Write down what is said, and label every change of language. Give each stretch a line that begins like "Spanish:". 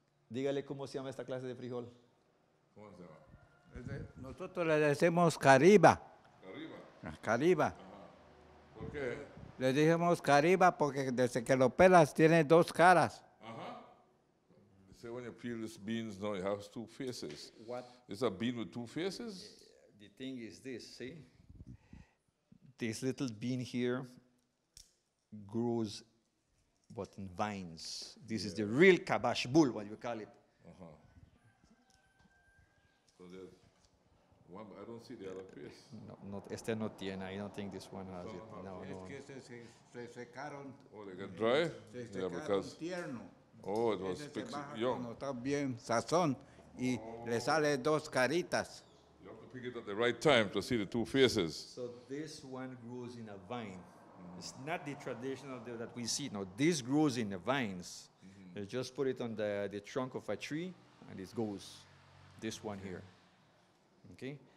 Spanish: Dígale cómo se llama esta clase de frijol. ¿Cómo se llama? Nosotros le decimos cariba. Cariba. Cariba. Uh-huh. ¿Por qué? Le decimos cariba porque desde que lo pelas tiene dos caras.
English: When you peel these beans, no, it has two faces. What? It's a bean with two faces? The thing is this, see? This little bean here grows but in vines. This is the real cabash bull, what you call it. Uh-huh. So there's one, but I don't see the other face. No, not
Spanish: este no tiene.
English: I don't think this one has it. No, no.
Spanish: Es que se secaron.
English: Oh, they got dry?
Spanish: Se secaron tierno.
English: Oh, it was young.
Spanish: No, está bien sazón y le sale dos caritas.
English: You have to pick it at the right time to see the two faces. So this one grows in a vine. Mm. It's not the traditional that we see. No, this grows in the vines. Mm-hmm. You just put it on the trunk of a tree and it goes. This one here. Okay.